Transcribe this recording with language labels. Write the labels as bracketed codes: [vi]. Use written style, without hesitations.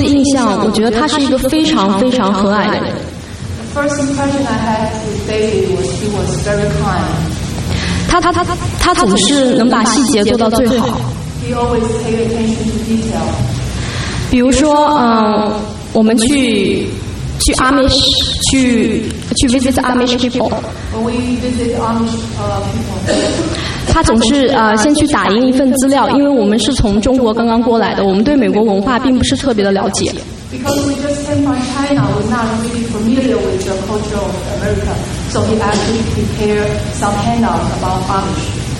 [zh] 其实我第一次见David，我对他第一次就是最初的印象，我觉得他是一个非常非常和蔼的人。 [en] The first impression I had with David was he was very kind. [zh] 他总是能把细节做到最好。 [en] He always paid attention to detail. [zh] 比如说，我们去 Amish 去 visit Amish people. [en] When we visit Amish people. [zh] 他总是先去打印一份资料， 因为我们是从中国刚刚过来的， 我们对美国文化并不是特别的了解。 [en] Because we just came from China, we're not really familiar with the culture of America. So he actually prepared some handouts about Amish.